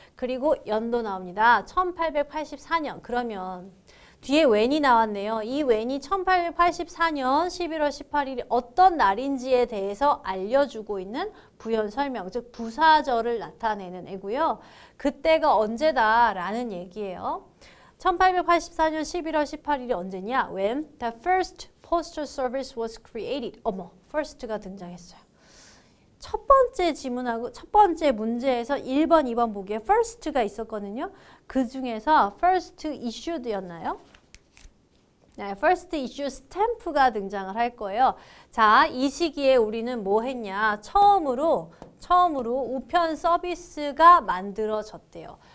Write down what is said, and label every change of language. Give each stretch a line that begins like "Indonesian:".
Korean: 그리고 연도 나옵니다. 1884년, 그러면 뒤에 when이 나왔네요. 이 when이 1884년 11월 18일이 어떤 날인지에 대해서 알려주고 있는 부연 설명, 즉 부사절을 나타내는 애고요. 그때가 언제다라는 얘기예요. 1884년 11월 18일이 언제냐?
English: When the first postal service was created.
Korean: 어머, first가 등장했어요. 첫 번째 지문하고 첫 번째 문제에서 1번, 2번 보기에 first가 있었거든요. 그 중에서 first issued였나요? 네, first issue stamp가 등장을 할 거예요. 자, 이 시기에 우리는 뭐 했냐? 처음으로 우편 서비스가 만들어졌대요.